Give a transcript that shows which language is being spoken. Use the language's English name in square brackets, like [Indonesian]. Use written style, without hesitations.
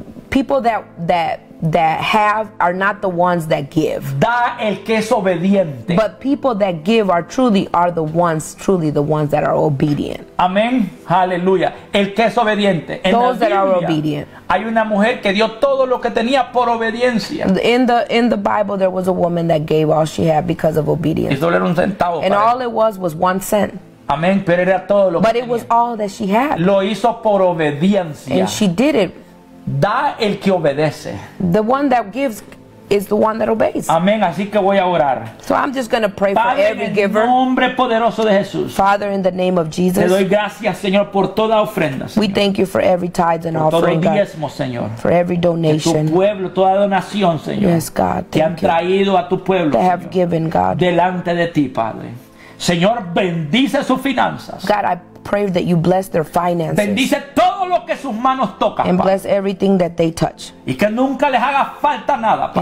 [English] People that have are not the ones that give. [Spanish] Da el que es obediente. [English] But people that give are truly the ones that are obedient. [Spanish] Amén. Hallelujah. El que es obediente. [English] En those Biblia, that are obedient. [Spanish] Hay una mujer que dio todo lo que tenía por obediencia. [English] In the Bible, there was a woman that gave all she had because of obedience. [Spanish] Y solo era un centavo. [English] And all it was 1 cent. [Spanish] Amén. Pero era todo lo [English] but [Spanish] que [English] it [Spanish] tenía. [English] Was all that she had. [Spanish] Lo hizo por obediencia. [English] And she did it. [Spanish] Da el que obedece. [English] The one that gives is the one that obeys. [Spanish] Amén. Así que voy a orar. [English] So I'm just going to pray [Spanish] Padre, [English] for every giver. [Spanish] Padre, en el nombre poderoso de Jesús. [English] Father, in the name of Jesus. [Spanish] Te doy gracias, Señor, por toda ofrenda, Señor. [English] We thank you for every tithe and [Spanish] por [English] offering, [Spanish] todo diezmo, Señor. [English] For every donation. [Spanish] De tu pueblo, toda donación, Señor. [English] Yes, God. [Spanish] Que han traído a tu pueblo, [English] Señor. Have given, God. [Spanish] Delante de ti, Padre. Señor, bendice sus finanzas. [English] God, I pray that you bless their finances. [Spanish] Bendice todo lo que sus manos tocan. [English] And bless everything that they touch. [Spanish] Y que nunca les haga falta nada, Padre.